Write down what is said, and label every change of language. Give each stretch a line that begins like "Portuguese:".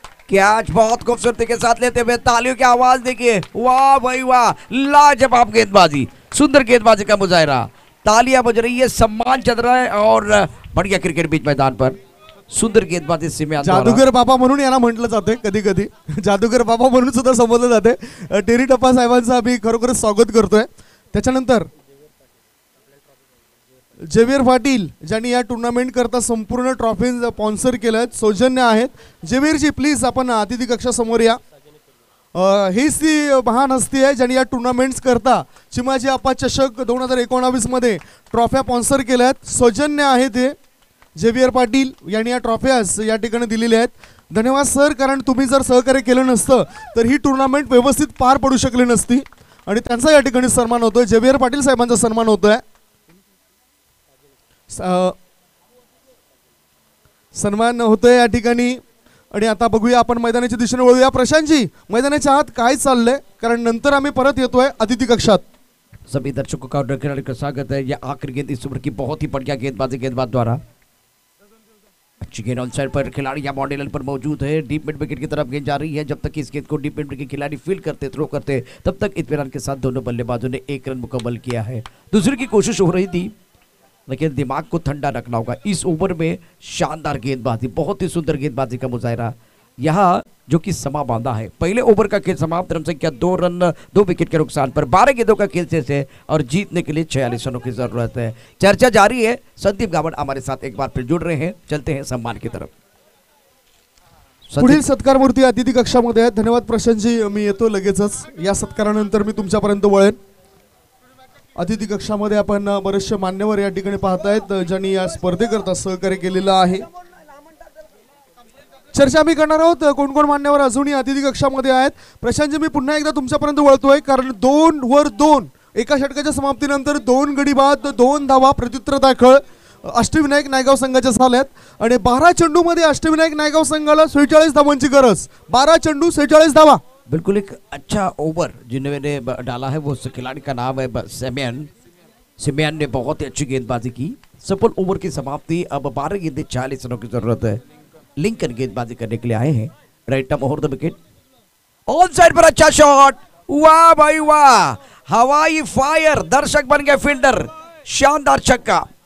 Hindi: Catch बहुत खूबसूरती के साथ लेते हुए तालियों की आवाज देखिए, वाह भाई वाह, लाजवाब गेंदबाजी, सुंदर गेंदबाजी का मुजाहिरा, तालियां बज रही है, सम्मान चल रहा है, और बढ़िया क्रिकेट पिच मैदान पर सुंदर गेंदबाजी से
Marathi: जादूगर बाबा म्हणून यांना म्हटलं जाते, कधी कधी जादूगर बाबा म्हणून सुद्धा संबोधलं जाते। टेरी टप्पा साहेबांचं आम्ही खरोखर स्वागत करतोय। त्याच्यानंतर जेवियर पाटील ज्यांनी या टूर्नामेंट करता संपूर्ण ट्रॉफी स्पॉन्सर केलं आहेत, सौजन्य आहेत जेवियरजी, प्लीज आपण अतिथी कक्षा समोर या, हीच ती महान हस्ती आहे ज्यांनी या टूर्नामेंट्स करता चिमाजी आप्पा चषक 2019 मध्ये ट्रॉफ्या स्पॉन्सर केल्या आहेत, सौजन्य आहेत हे जेवियर पाटील यांनी या ट्रॉफ्याज या ठिकाणी दिलेल्या आहेत, धन्यवाद सर, कारण तुम्ही जर सहकार्य केलं नसतं तर ही टूर्नामेंट व्यवस्थित पार पडू शकली नसती, आणि त्यांचा या ठिकाणी सन्मान होतोय, जेवियर पाटील साहेबांचा सन्मान होतोय। सन्मान होतोय या ठिकाणी, आणि आता बघूया आपण मैदानाच्या दिशेने वळूया, प्रशांतजी मैदानाच्या आत काय चाललंय, कारण नंतर आम्ही परत येतोय अतिथी कक्षात।
Hindi: सभी दर्शकों का डॉक्टर का स्वागत है, या आखिरी गेंद इस उम्र की बहुत ही बढ़िया गेंदबाजी गेंदबाज द्वारा, अच्छी गेंद ऑन साइड पर, खिलाड़ी या बॉडी लाइन पर मौजूद है, डीप मिड विकेट की तरफ गेंद जा रही है, जब तक इस गेंद को डीप मिड के खिलाड़ी फील करते थ्रो करते तब तक इत्मीनान के साथ दोनों बल्लेबाजों ने एक रन मुकम्मल किया है, दूसरे की कोशिश हो रही थी, लेकिन दिमाग को ठंडा रखना होगा, इस ओवर में शानदार गेंदबाजी, बहुत ही सुंदर गेंदबाजी का मुजाहिरा यहाँ जो कि समा बांधा है, पहले ओवर का खेल समाप्त, रन संख्या 2 रन 2 विकेट के नुकसान पर, 12 गेंदों का खेल शेष है और जीतने के लिए 46 रनों की जरूरत है, चर्चा जारी है, संदीप गावड़ हमारे साथ एक बार फिर जुड़ रहे हैं, चलते हैं सम्मान की तरफ।
Marathi: पुढील सत्कार मूर्ति अतिथि कक्षा मध्ये आहे, धन्यवाद प्रशांत जी, मी येतो लगेचच, या सत्कारानंतर मी तुमच्यापर्यंत वळेन। अतिथी कक्षामध्ये आपण बरेचसे मान्यवर या ठिकाणी पाहतायत ज्यांनी या स्पर्धेकरता सहकार्य केलेलं आहे, चर्चा मी करणार आहोत कोण कोण मान्यवर अजूनही अतिथी कक्षामध्ये आहेत। प्रशांतजी मी पुन्हा एकदा तुमच्यापर्यंत वळतोय, कारण 2-2 एका षटकाच्या समाप्तीनंतर 2 गडी बाद 2 धावा प्रत्युत्तर दाखल अष्टविनायक नायगाव संघाच्या झाल्यात, आणि 12 चेंडूमध्ये अष्टविनायक नायगाव संघाला 47 धावांची गरज, 12 चेंडू 47 धावा,
Hindi: बिल्कुल एक अच्छा ओवर जिन्होंने डाला है, वो खिलाड़ी का नाम है सेमियन, सेमियन ने बहुत ही अच्छी गेंदबाजी की, सफल ओवर की समाप्ति, अब 12 गेंदें 40 रनों की जरूरत है, लिंकन गेंदबाजी करने के लिए आए हैं, right of the wicket, on side पर अच्छा शॉट, वाह भाई वाह, हवाई फायर, दर्शक बन गए फील्डर, शानदार छक्का,